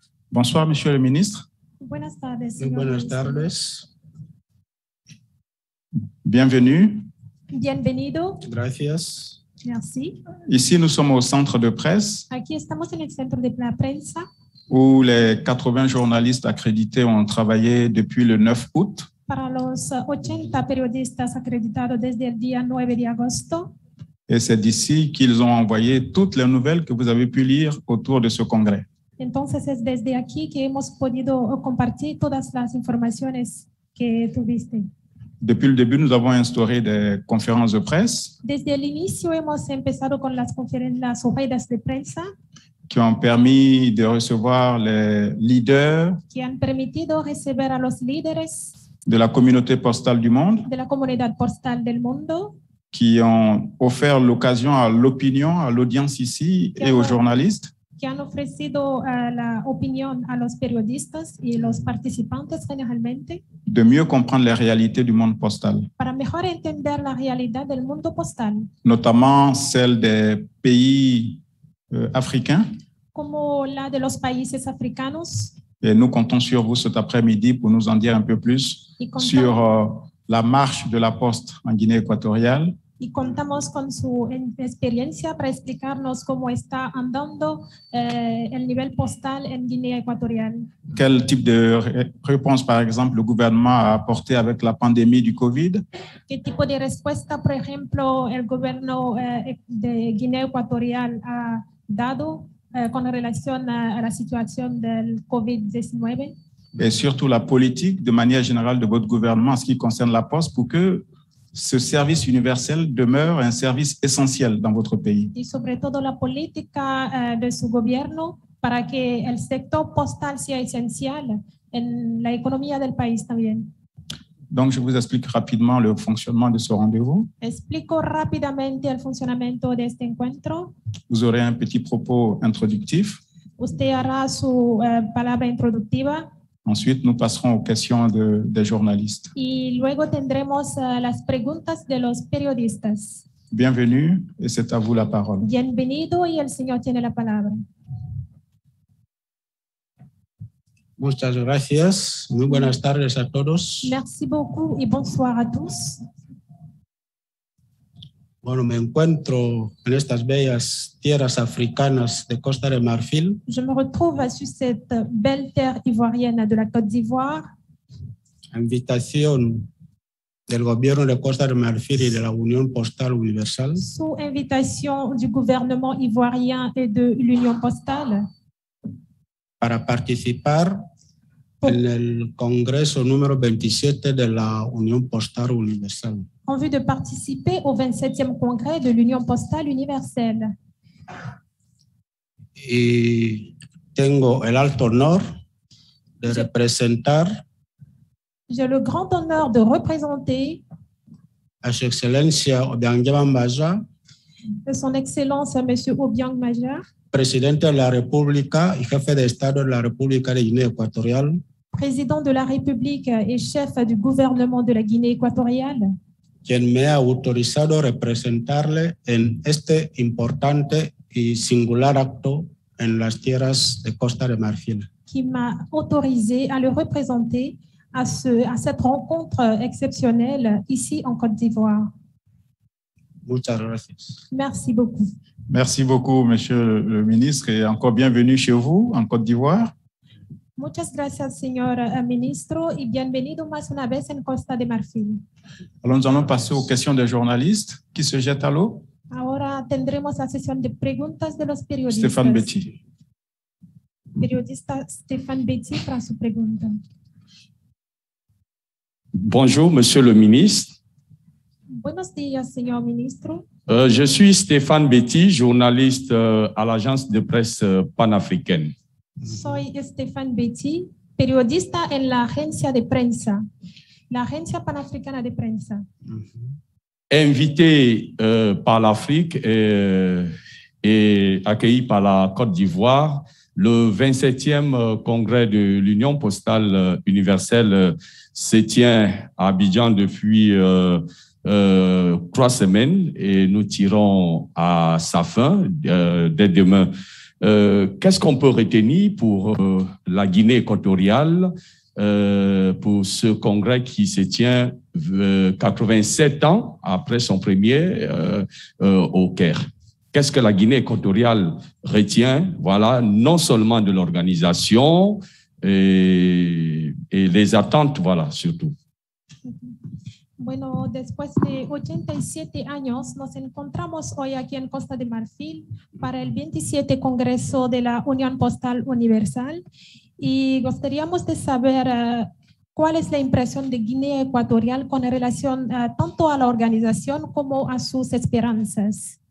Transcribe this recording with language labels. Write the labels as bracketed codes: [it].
[fr] Bonsoir, monsieur le ministre. [es] Buenas tardes. Buenas tardes. [fr] Bienvenue. [es] Bienvenido. Gracias. [fr] Merci. Ici, nous sommes au centre de presse. [es] Aquí estamos en el centro de la prensa. [fr] Où les 80 journalistes accrédités ont travaillé depuis le 9 août. [es] Para los 80 periodistas acreditados desde el día 9 de agosto. [fr] Et c'est d'ici qu'ils ont envoyé toutes les nouvelles que vous avez pu lire autour de ce congrès. [es] Entonces es desde aquí que hemos podido compartir todas las informaciones que tuviste. [fr] Depuis le début, nous avons instauré des conférences de presse. [es] Desde el inicio hemos empezado con las conferencias, las ruedas de prensa. [fr] Qui ont permis de recevoir les leaders. [es] Que han permitido recibir a los líderes. [fr] De la communauté postale du monde. [es] De la comunidad postal del mundo. [fr] Qui ont offert l'occasion à l'opinion, à l'audience ici et aux journalistes. [es] Que han ofrecido la opinión a los periodistas y los participantes generalmente. [fr] De mieux comprendre les réalités du monde postal. [es] Para mejor entender la realidad del mundo postal. [fr] Notamment celle des pays africains. [es] Como la de los países africanos. [fr] Et nous comptons sur vous cet après-midi pour nous en dire un peu plus sur la marche de la poste en Guinée équatoriale. [es] Y contamos con su experiencia para explicarnos cómo está andando el nivel postal en Guinea Ecuatorial. [fr] Quel type de réponse, par exemple, le gouvernement a apporté avec la pandémie du COVID? [es] ¿Qué tipo de respuesta, por ejemplo, el gobierno de Guinea Ecuatorial ha dado con relación a la situación del COVID-19? [fr] Et surtout la politique, de manière générale, de votre gouvernement en ce qui concerne la poste, pour que ce service universel demeure un service essentiel dans votre pays. [es] Y sobre todo la política de su gobierno para que el sector postal sea esencial en la economía del país también. [fr] Donc je vous explique rapidement le fonctionnement de ce rendez-vous. [es] Explico rápidamente el funcionamiento de este encuentro. [fr] Vous aurez un petit propos introductif. [es] Usted hará su palabra introductiva. [fr] Ensuite, nous passerons aux questions des journalistes. [es] Y luego tendremos las preguntas de los periodistas. [fr] Bienvenue, et c'est à vous la parole. [es] Bienvenido, y el señor tiene la palabra. Muchas gracias. Muy buenas tardes a todos. [fr] Merci beaucoup y bonsoir a tous. [es] Bueno, me encuentro en estas bellas tierras africanas de Costa de Marfil. [fr] Je me retrouve sur cette belle terre ivoirienne de la Côte d'Ivoire. [es] Invitación del gobierno de Costa de Marfil y de la Unión Postal Universal. [fr] Sous invitation du gouvernement ivoirien et de l'Union Postale. [es] Para participar en el Congreso número 27 de la Unión Postal Universal. [fr] En vue de participer au 27e congrès de l'Union Postale Universelle. [es] Y tengo el alto honor de representar. [fr] J'ai le grand honneur de représenter. [es] A su excelencia Obiang Mbaja. [fr] Son excellence Monsieur Obiang Mbaja. [es] Presidente de la República y jefe de Estado de la República de Guinea Ecuatorial. [fr] Président de la République et chef du gouvernement de la Guinée équatoriale. [es] Quien me ha autorizado representarle en este importante y singular acto en las tierras de Costa de Marfil. [fr] Qui m'a autorisé à le représenter à cette rencontre exceptionnelle ici en Côte d'Ivoire. [es] Muchas gracias. [fr] Merci beaucoup. Merci beaucoup, monsieur le ministre, et encore bienvenue chez vous en Côte d'Ivoire. [es] Muchas gracias, señor ministro, y bienvenido más una vez en Costa de Marfil. [fr] Alors, nous allons passer aux questions des journalistes qui se jettent à l'eau. [es] Ahora tendremos la sesión de preguntas de los periodistas. [fr] Stéphane Betty. [es] Periodista Stéphane Betty para su pregunta. [fr] Bonjour, Monsieur le ministre. [es] Buenos días, señor ministro. [fr] Je suis Stéphane Betty, journaliste à l'agence de presse panafricaine. [es] Soy Stéphane Betty, periodista en la agencia de prensa, la agencia panafricana de prensa. Mm-hmm. [fr] Invité par l'Afrique et accueilli par la Côte d'Ivoire, le 27e congrès de l'Union postale universelle se tient à Abidjan depuis 3 semaines et nous tirons à sa fin dès demain. Qu'est-ce qu'on peut retenir pour la Guinée équatoriale pour ce congrès qui se tient 87 ans après son premier au Caire? Qu'est-ce que la Guinée équatoriale retient, voilà, non seulement de l'organisation et les attentes, voilà, surtout. [es] Bueno, después de 87 años, nos encontramos hoy aquí en Costa de Marfil para el 27 Congreso de la Unión Postal Universal y gustaríamos de saber cuál es la impresión de Guinea Ecuatorial con relación tanto a la organización como a sus esperanzas.